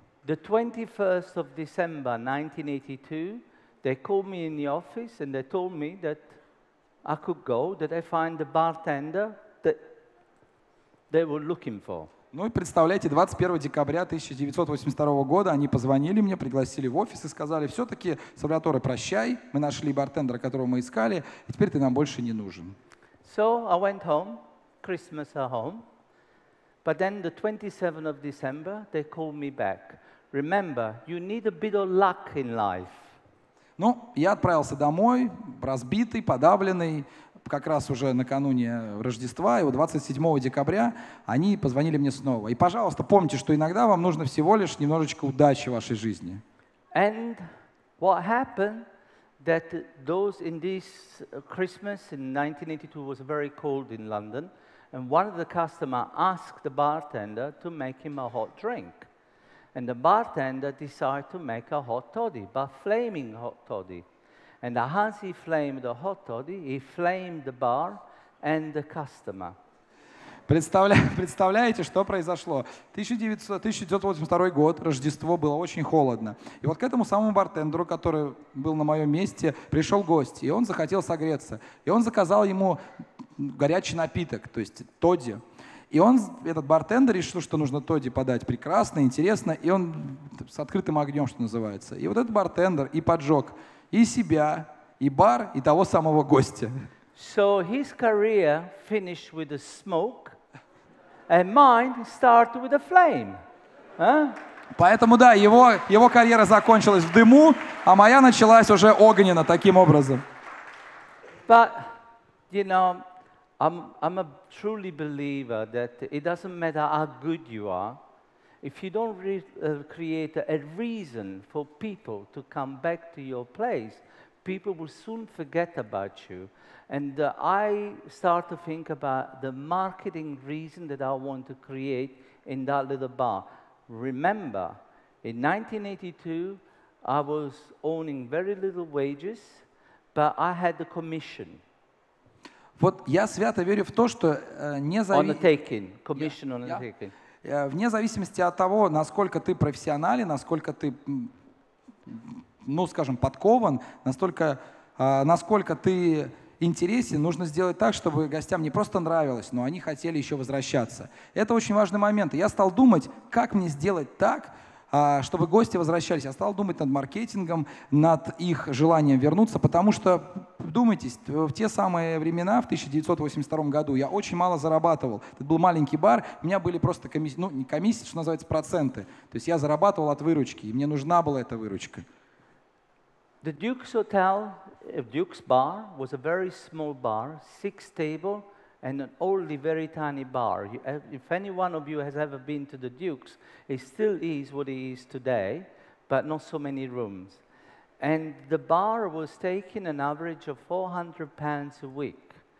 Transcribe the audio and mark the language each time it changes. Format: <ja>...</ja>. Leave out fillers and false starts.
<en>The 21st of December, 1982, they called me in the office, and they told me that I could go, that I find the bartender that they were looking for.</en> <ru>Ну и представляете, 21 декабря 1982 года они позвонили мне, пригласили в офис и сказали: все-таки, Сальваторе, прощай, мы нашли бартендера, которого мы искали, и теперь ты нам больше не нужен.</ru> <en>So I went home, Christmas at home, but then the 27th of December they called me back. Remember, you need a bit of luck in life.</en> <ru>Ну, я отправился домой, разбитый, подавленный, как раз уже накануне Рождества, и вот 27 декабря они позвонили мне снова. И, пожалуйста, помните, что иногда вам нужно всего лишь немножечко удачи в вашей жизни.</ru> <en>And what happened that those in this Christmas in 1982 was very cold in London, and one of the customers asked the bartender to make him a hot drink. And the bartender decided to make a hot toddy, but flaming hot toddy. And as he flamed the hot toddy, he flamed the bar and the customer.</en> <ru>Представляете, что произошло? 1982 год, Рождество, было очень холодно. И вот к этому самому бартендеру, который был на моем месте, пришел гость, и он захотел согреться. И он заказал ему горячий напиток, то есть тодди. И он, этот бартендер, решил, что нужно Тодди подать прекрасно, интересно, и он с открытым огнем, что называется. И вот этот бартендер и поджег и себя, и бар, и того самого гостя.</ru> <en>So his career finished with a smoke, and mine started with a flame.</en> <ru>Поэтому да, его карьера закончилась в дыму, а моя началась уже огненно таким образом.</ru> <en>But, you know, I'm a truly believer that it doesn't matter how good you are, if you don't create a reason for people to come back to your place, people will soon forget about you. And I start to think about the marketing reason that I want to create in that little bar. Remember, in 1982, I was owning very little wages, but I had the commission.</en> <ru>Вот я свято верю в то, что вне зависимости от того, насколько ты профессионален, насколько ты, ну, скажем, подкован, насколько ты интересен, нужно сделать так, чтобы гостям не просто нравилось, но они хотели еще возвращаться. Это очень важный момент. Я стал думать, как мне сделать так, чтобы гости возвращались. Я стал думать над маркетингом, над их желанием вернуться, потому что, вдумайтесь, в те самые времена, в 1982 году, я очень мало зарабатывал. Это был маленький бар, у меня были просто комиссии, ну, не комиссии, что называется, проценты. То есть я зарабатывал от выручки, и мне нужна была эта выручка.</ru> <en>The Duke's Hotel, Duke's Bar, was a very small bar, six tables, and an only very tiny bar. If any one of you has ever been to the Duke's, it still is what it is today, but not so many rooms. And the bar was taking an average of £400 a week.</en>